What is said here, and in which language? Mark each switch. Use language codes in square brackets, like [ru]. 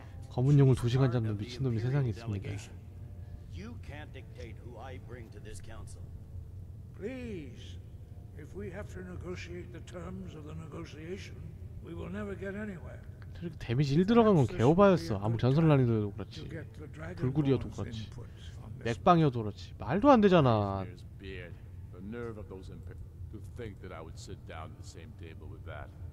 [ko] 검은 용을 2시간 잡는 미친놈이 세상에 있습니다. [en] You can't dictate who I bring to this council. Please, if we have to negotiate the terms of the negotiation, we will never get anywhere. [ko] 저렇게 데미지 1 들어간 건 개오바였어. 아무 전설 난이도도 그렇지. 불구리여도 그렇지. 맥방이어도 그렇지. 말도 안 되잖아. [en] The nerve of those imp to think that I would sit down at the same table with that.